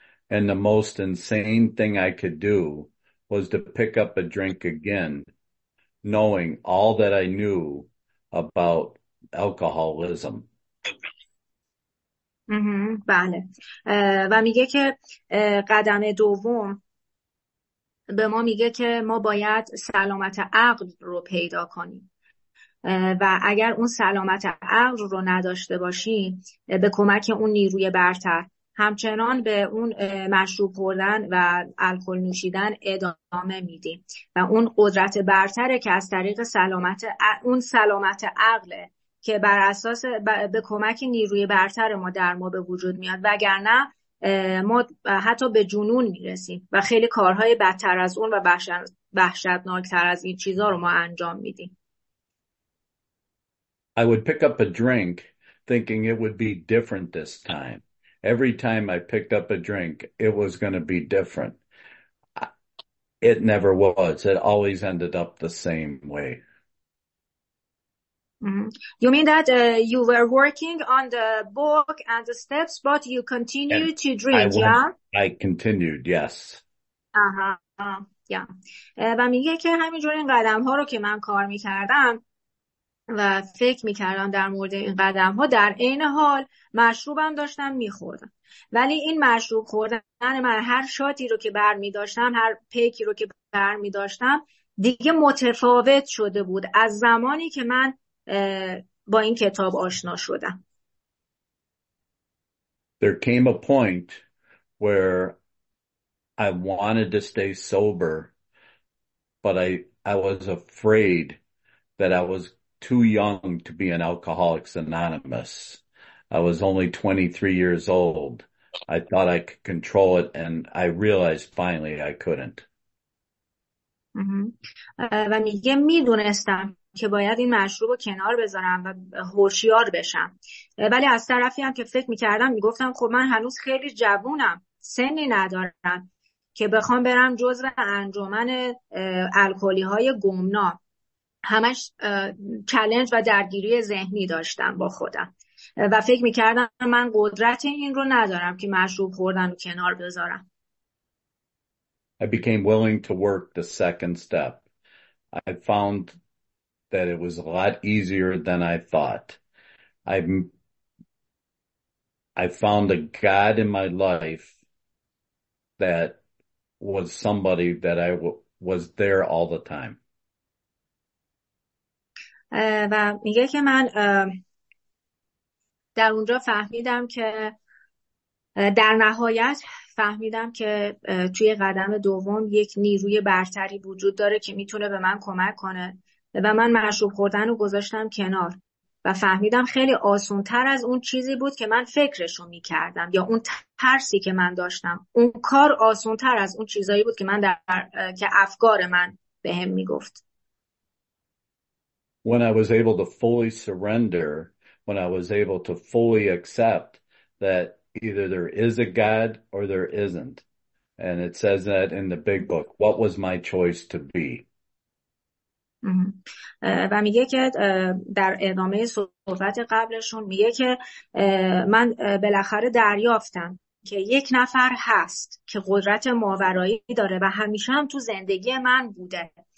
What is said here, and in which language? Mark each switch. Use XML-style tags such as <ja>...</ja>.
<en>And the most insane thing I could do was to pick up a drink again, knowing all that I knew about alcoholism.</en> <fa>بله. و میگه که قدم دوم به ما میگه که ما باید سلامت عقل رو پیدا کنیم. و اگر اون سلامت عقل رو نداشته باشیم به کمک اون نیروی برتر همچنان به اون مشروب خوردن و الکل نوشیدن ادامه میدیم و اون قدرت برتره که از طریق سلامت اون سلامت عقله که بر اساس به کمک نیروی برتر ما در ما به وجود میاد، وگرنه ما حتی به جنون میرسیم و خیلی کارهای بدتر از اون و وحشتناکتر از این چیزها رو ما انجام میدیم.</fa> <en>I would pick up a drink thinking it would be different this time. Every time I picked up a drink, it was going to be different. It never was. It always ended up the same way. You mean that you were working on the book and the steps, but you continued to drink, I continued, yes.</en> <fa>و میگه که همینجور این قدم ها رو که من کار میکردم و فکر میکردم در مورد این قدم ها در این حال مشروبم داشتم میخوردم. ولی این مشروب خوردن من هر شاتی رو که بر میداشتم، هر پیکی رو که بر میداشتم دیگه متفاوت شده بود از زمانی که من با این کتاب آشنا شدم.</fa> <en>There came a point where I wanted to stay sober, but I was afraid that I was too young to be an Alcoholics Anonymous. I was only 23 years old. I thought I could control it, and I realized finally I couldn't.</en> <fa>و میگه میدونستم که باید این مشروب رو کنار بذارم و هوشیار بشم، ولی از طرفی هم که فکر میکردم میگفتم خب من هنوز خیلی جوونم، سنی ندارم که بخوام برم جزو انجمن الکلی های گمنام. همش چلنج و درگیری ذهنی داشتم با خودم و فکر میکردم من قدرت این رو ندارم که مشروب خوردن رو کنار بذارم.</fa> <en>I became willing to work the second step. I found that it was a lot easier than I thought. I found a God in my life that was somebody that I was there all the time.</en> <fa>و میگه که من در اونجا فهمیدم که در نهایت فهمیدم که توی قدم دوم یک نیروی برتری وجود داره که میتونه به من کمک کنه و من مشروب خوردن رو گذاشتم کنار و فهمیدم خیلی آسان‌تر از اون چیزی بود که من فکرشو میکردم یا اون ترسی که من داشتم، اون کار آسان‌تر از اون چیزایی بود که من که افکار من بهم میگفت.</fa> <en>When I was able to fully surrender, when I was able to fully accept that either there is a God or there isn't. And it says that in the big book. What was my choice to be?</en> <fa>و میگه که در ادامه صحبت قبلشون میگه که من بالاخره دریافتم که یک نفر هست که قدرت ماورایی داره و همیشه هم تو زندگی من بوده.</fa>